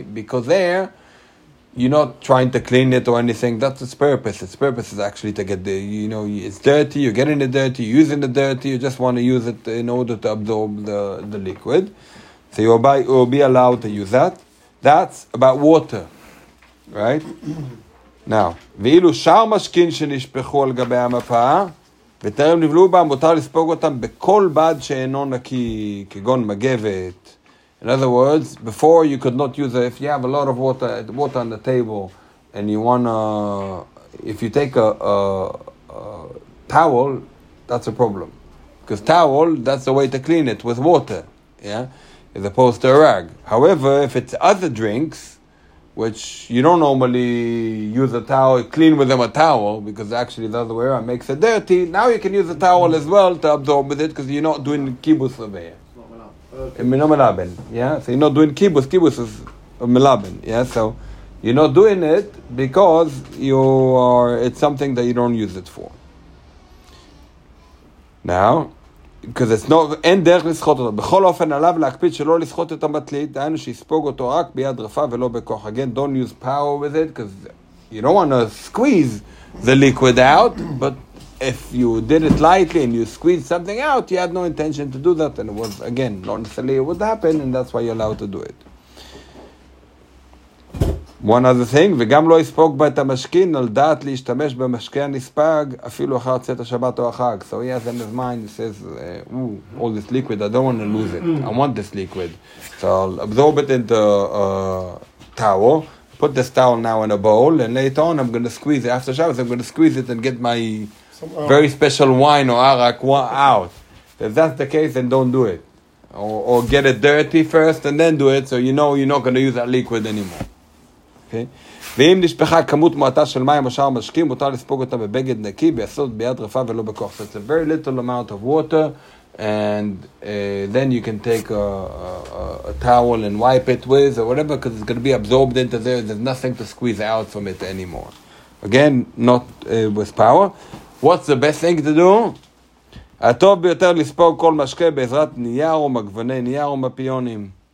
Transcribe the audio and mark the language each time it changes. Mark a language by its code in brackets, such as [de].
[en] Because there, you're not trying to clean it or anything. That's its purpose. Its purpose is actually to get the, you know, it's dirty, you're getting it dirty, you're using the dirty, you just want to use it in order to absorb the liquid. So you'll be allowed to use that. That's about water. Right? Now, [he] ואילו שאר משקין שנשפכו על גבי המפה, וטרם נבלו בה, מותר לספוג אותם בכל בד שאינו נקי, כגון מגבת. [en] In other words, before you could not use it, if you have a lot of water on the table, and you want to, if you take a towel, that's a problem. Because towel, that's the way to clean it, with water, yeah? As opposed to a rag. However, if it's other drinks, which you don't normally use a towel, clean with them a towel, because actually the other way around makes it dirty. Now you can use a towel as well to absorb with it, because you're not doing kibbutz over here. It's not melaben. Yeah, so you're not doing kibbutz. Kibbutz is melaben. Yeah, so you're not doing it because you are. It's something that you don't use it for. Now, [he] כי זה לא, אין דרך לסחוט אותו. בכל אופן, עליו להקפיד שלא לסחוט את המטלית, דהיינו שיספוג אותו רק ביד רפה ולא בכוח. [en] Again, don't use power with it, because you don't want to squeeze the liquid out, but if you did it lightly and you squeezed something out, you had no intention to do that, and it was, again, not necessarily what happened, and that's why you're allowed to do it. One other thing, [he] וגם לא יספוג בה את המשקין, על דעת להשתמש במשקי הנספג, אפילו אחר צאת השבת או החג. [en] So he has in his mind, he says, all this liquid, I don't want to lose it. I want this liquid. So I'll absorb it into a towel, put this towel now in a bowl, and later on I'm going to squeeze it. After Shabbos, I'm going to squeeze it and get my very special wine or arak out. If that's the case, then don't do it. Or get it dirty first and then do it, so you're not going to use that liquid anymore. [he] ואם נשפחה כמות מועטה של מים או שאר משקים, מותר לספוג אותה בבגד נקי, ביסוד ביד רפה ולא בכוח. [en] So it's a very little amount of water, and then you can take a towel and wipe it with, or whatever, because it's going to be absorbed into there, and there's nothing to squeeze out from it anymore. Again, not with power. What's the best thing to do? [he] הטוב ביותר לספוג כל משקה בעזרת נייר או מגווני נייר או מפיונים.